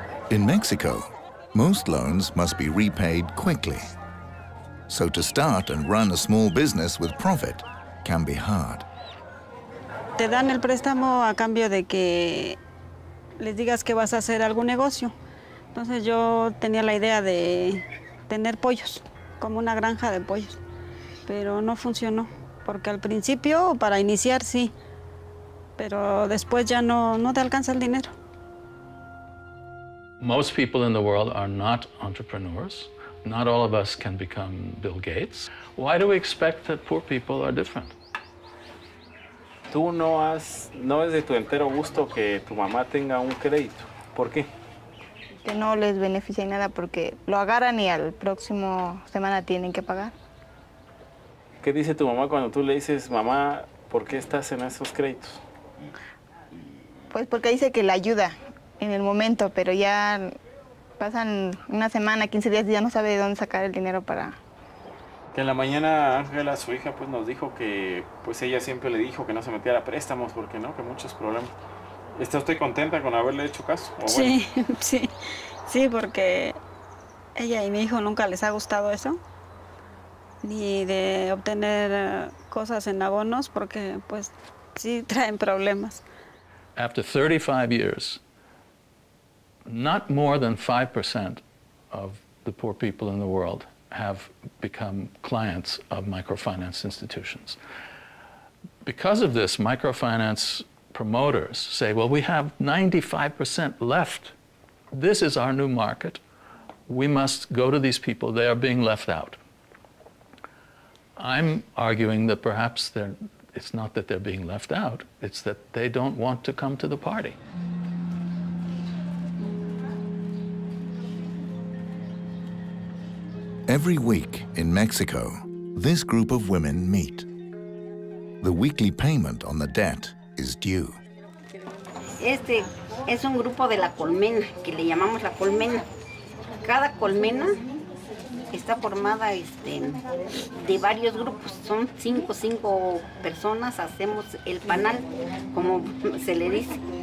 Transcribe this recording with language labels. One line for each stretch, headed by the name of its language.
English: In Mexico, most loans must be repaid quickly. So to start and run a small business with profit can be hard.
Spanish: Te dan el préstamo a cambio de que les digas que vas a hacer algún negocio. Entonces yo tenía la idea de tener pollos, como una granja de pollos. Pero no funcionó, porque al principio, para iniciar, sí. Pero después ya no te alcanza el dinero.
English: Most people in the world are not entrepreneurs. Not all of us can become Bill Gates. Why do we expect that poor people are different?
Spanish: Tú no es de tu entero gusto que tu mamá tenga un crédito. ¿Por qué? Que no les beneficia nada porque lo agarran y al próximo semana tienen que pagar. ¿Qué dice tu mamá cuando tú le dices, mamá, ¿por qué estás en esos créditos? Pues porque dice que la ayuda en el momento, pero ya pasan una semana, 15 días y ya no sabe de dónde sacar el dinero para... Que en la mañana Ángela, su hija, pues nos dijo que pues ella siempre le dijo que no se metiera a préstamos, porque no, que muchos problemas. ¿Está usted contenta con haberle hecho caso? ¿O sí, bueno? Sí, sí, porque ella y mi hijo nunca les ha gustado eso, ni de obtener cosas en abonos, porque pues sí traen problemas.
English: After 35 years, not more than 5% of the poor people in the world have become clients of microfinance institutions. Because of this, microfinance promoters say, well, we have 95% left. This is our new market. We must go to these people. They are being left out. I'm arguing that perhaps it's not that they're being left out, it's that they don't want to come to the party. Every week in Mexico, this group of women meet. The weekly payment on the debt is due.
Spanish: Este es un grupo de la colmena, que le llamamos la colmena. Cada colmena está formada de varios grupos. Son cinco personas, hacemos el panal, como se le dice.